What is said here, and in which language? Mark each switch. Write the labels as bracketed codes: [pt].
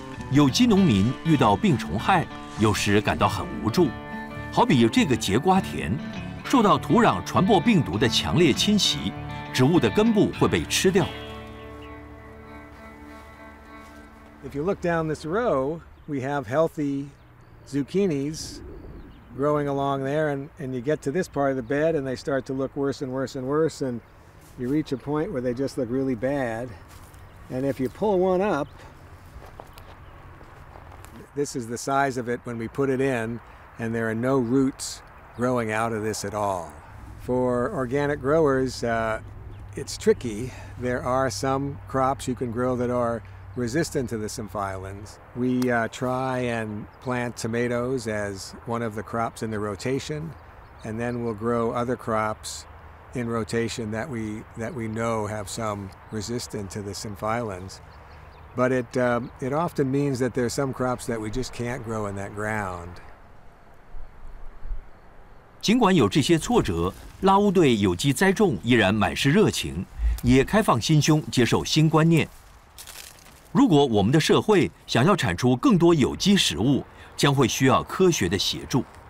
[zh] 有机农民遇到病虫害，有时感到很无助，好比这个节瓜田，受到土壤传播病毒的强烈侵袭，植物的根部会被吃掉。 [en] If you look down this row, we have healthy zucchinis growing along there, and you get to this part of the bed, and they start to look worse and worse and worse, and you reach a point where they just look really bad, and if you pull one up. This is the size of it when we put it in, and there are no roots growing out of this at all. For organic growers, it's tricky. There are some crops you can grow that are resistant to the symphylins. We try and plant tomatoes as one of the crops in the rotation, and then we'll grow other crops in rotation that we know have some resistance to the symphylins. But it often means that there are some crops that we just can't grow in that ground. [zh] 尽管有这些挫折，拉乌对有机栽种依然满是热情，也开放心胸接受新观念。如果我们的社会想要产出更多有机食物，将会需要科学的协助。